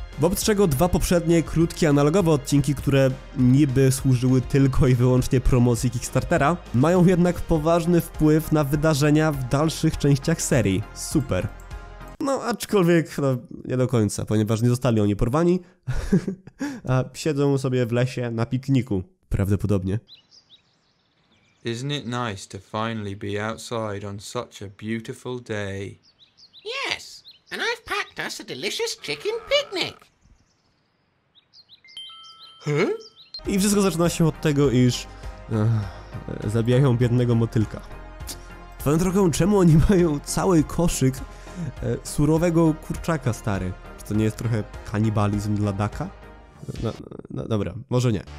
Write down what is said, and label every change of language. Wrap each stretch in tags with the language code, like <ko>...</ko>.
<pl>Wobec czego dwa poprzednie, krótkie, analogowe odcinki, które niby służyły tylko i wyłącznie promocji Kickstartera, mają jednak poważny wpływ na wydarzenia w dalszych częściach serii. Super. No, aczkolwiek no, nie do końca, ponieważ nie zostali oni porwani, a siedzą sobie w lesie na pikniku. Prawdopodobnie.</pl> <en>Isn't it nice to finally be outside on such a beautiful day? Yes, and I've packed us a delicious chicken picnic. Huh?</en> <pl>I wszystko zaczyna się od tego, iż zabijają biednego motylka. Twoją drogą, czemu oni mają cały koszyk surowego kurczaka, stary? Czy to nie jest trochę kanibalizm dla Daka? No dobra, może nie.</pl>